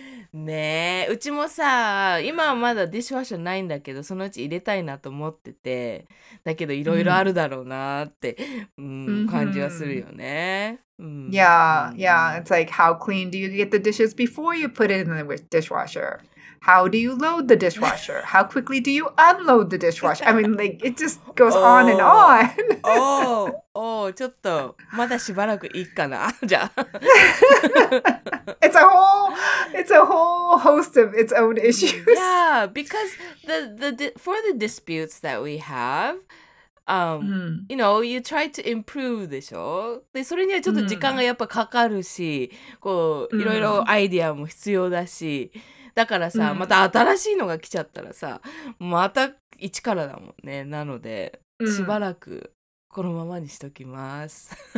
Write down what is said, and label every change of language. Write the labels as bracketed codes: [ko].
[ja] ねえ、うちもさ、今はまだディッシュワッシャーないんだけど、そのうち入れたいなと思ってて、だけどいろいろあるだろうなって、感じはするよね。 [en] Yeah, yeah. It's like, how clean do you get the dishes before you put it in the dishwasher? How do you load the dishwasher? How quickly do you unload the dishwasher? I mean, like, it just goes on and on. [ja] Oh, ちょっと、まだしばらくいいかな、じゃあ。 [en] It's a whole host of its own issues. Yeah, because for the disputes that we have, you know, you try to improve [ja] でしょ。で、それにはちょっと時間がやっぱかかるし、こういろいろアイディアも必要だし、だからさ、また新しいのが来ちゃったらさ、また一からだもんね。なのでしばらくこのままにしときます。